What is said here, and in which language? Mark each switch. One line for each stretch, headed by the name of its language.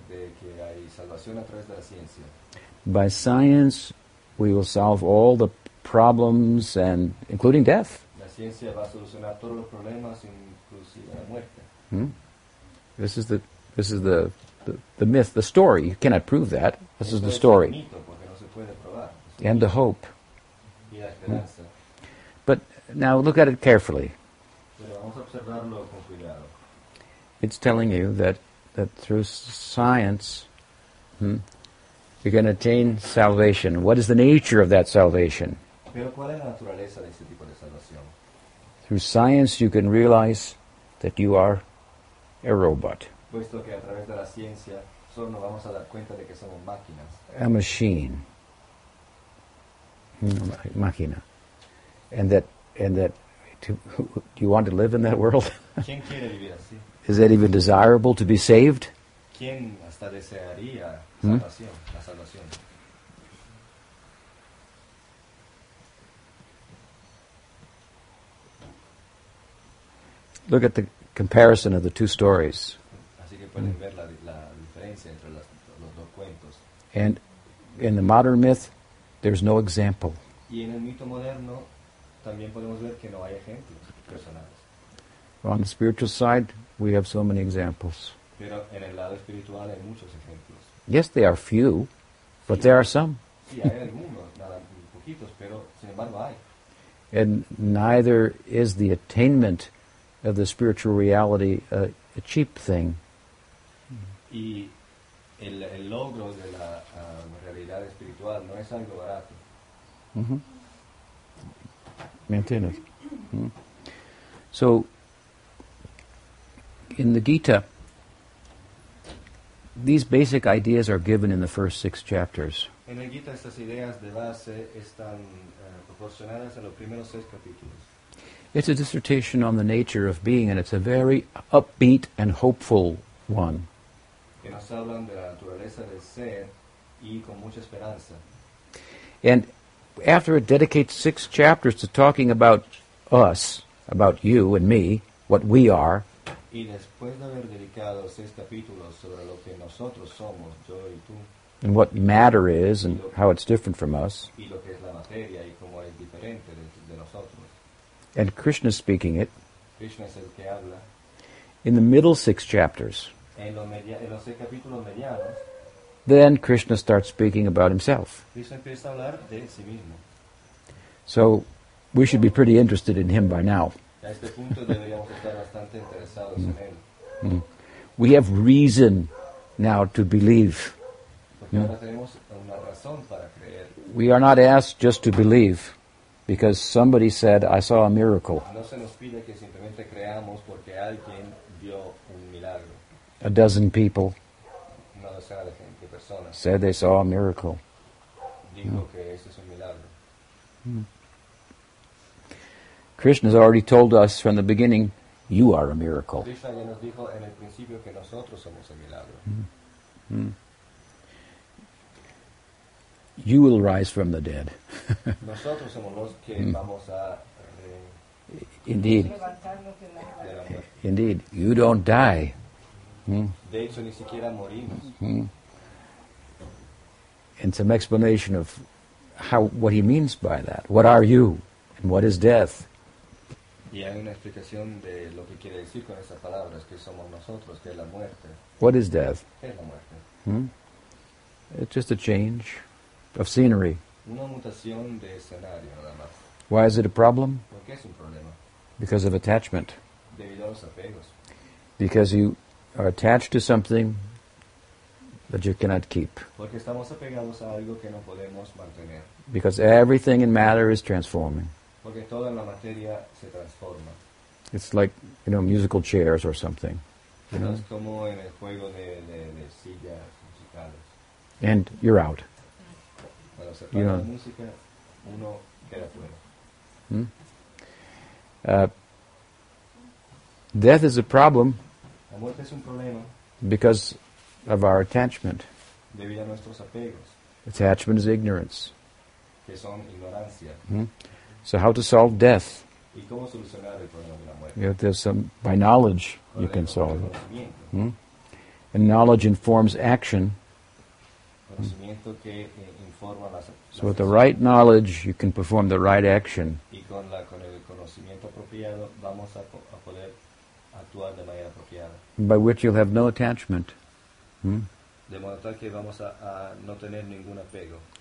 Spanish: De que hay salvación a través de la ciencia.
English: By science, we will solve all the problems, and including death.
Spanish: La ciencia va a solucionar todos los problemas, inclusive la muerte.
English: This is the myth, the story. You cannot prove that. This
Spanish: esto
English: is the story.
Spanish: Es mito, porque no se puede probar. Es
English: and
Spanish: mito.
English: The hope.
Spanish: Y la esperanza.
English: But now look at it carefully.
Spanish: Pero vamos a observarlo con cuidado.
English: It's telling you that through science, You can attain salvation. What is the nature of that salvation?
Spanish: Pero ¿cuál es la naturaleza de este tipo de salvación?
English: Through science you can realize that you are a robot.
Spanish: Puesto que a través de la ciencia solo nos vamos a dar cuenta de que somos máquinas.
English: A machine.
Spanish: Máquina.
English: And that do you want to live in that world?
Spanish: ¿Quién quiere vivir así?
English: Is that even desirable to be saved?
Spanish: ¿Quién hasta desearía salvación, la salvación?
English: Look at the comparison of the two stories.
Spanish: Así que pueden ver la diferencia entre los dos cuentos.
English: And in the modern myth, there's no example.
Spanish: Y en el mito moderno, también podemos ver que no hay ejemplos personales.
English: On the spiritual side, we have so many examples.
Spanish: Pero en el lado espiritual hay muchos ejemplos.
English: Yes, they are few, but
Spanish: sí,
English: there are some.
Spanish: Sí, hay algunos, nada, poquitos, pero sin embargo hay.
English: And neither is the attainment of the spiritual reality a cheap thing.
Spanish: Y el logro de la realidad espiritual no es algo barato. Mm-hmm. ¿Me entiendes? Mm-hmm.
English: So, in the Gita, these basic ideas are given in the first six chapters.
Spanish: En el Gita estas ideas de base están proporcionadas en los primeros seis capítulos.
English: It's a dissertation on the nature of being, and it's a very upbeat and hopeful one.
Spanish: Que nos hablan de la naturaleza del ser y con mucha esperanza.
English: And after it dedicates six chapters to talking about us, about you and me, what we are.
Spanish: Y después de haber dedicado seis capítulos sobre lo que nosotros somos, yo y tú.
English: And what matter is and how it's different from us.
Spanish: Y lo que es la materia y cómo es diferente de nosotros.
English: And Krishna speaking it.
Spanish: Krishna es el que habla.
English: In the middle six chapters.
Spanish: En los seis capítulos medianos.
English: Then Krishna starts speaking about himself.
Spanish: Krishna empieza a hablar de sí mismo.
English: So we should be pretty interested in him by now.
Spanish: A este punto deberíamos estar bastante interesados en él. Mm.
English: We have reason now to believe.
Spanish: Porque ahora tenemos una razón para creer.
English: We are not asked just to believe because somebody said, I saw a miracle.
Spanish: No se nos pide que simplemente creamos porque alguien vio un milagro.
English: A dozen people.
Spanish: Una docena de gente, personas.
English: Said they saw a miracle.
Spanish: Dijo que ese es un milagro. Mm.
English: Krishna has already told us from the beginning, you are a miracle.
Spanish: Krishna ya nos dijo en el principio que nosotros somos un milagro. Mm. Mm.
English: You will rise from the dead.
Spanish: Nosotros somos los que vamos a
English: indeed. Indeed. You don't die.
Spanish: De hecho, ni siquiera morimos. Mm.
English: And some explanation of what he means by that. What are you? And what is death?
Spanish: Y hay una explicación de lo que quiere decir con esas palabras, que somos nosotros, que es la muerte.
English: What is death?
Spanish: ¿Qué es la muerte?
English: It's just a change of scenery.
Spanish: Una mutación de escenario, nada más.
English: Why is it a problem?
Spanish: ¿Por qué es un problema?
English: Because of attachment.
Spanish: Debido a los apegos.
English: Because you are attached to something that you cannot keep.
Spanish: Porque estamos apegados a algo que no podemos mantener.
English: Because everything in matter is transforming.
Spanish: Porque toda la materia se transforma.
English: It's like, you know, musical chairs or something.
Spanish: Es como en el juego de sillas musicales.
English: And you're out.
Spanish: Cuando se para la música, uno queda fuera.
English: Death is a problem.
Spanish: La muerte es un problema.
English: Because of our attachment.
Spanish: Debido a nuestros apegos.
English: Attachment is ignorance.
Spanish: Que son ignorancia.
English: So how to solve death?
Spanish: ¿Y cómo solucionar el problema de la muerte?
English: If there's some by knowledge you can solve it. Hmm? And knowledge informs action.
Spanish: Conocimiento que informa las acciones.
English: So with the right knowledge you can perform the right action.
Spanish: Y con el conocimiento apropiado vamos a poder actuar de manera apropiada.
English: By which you'll have no attachment.
Spanish: De modo tal que vamos a no tener ningún apego.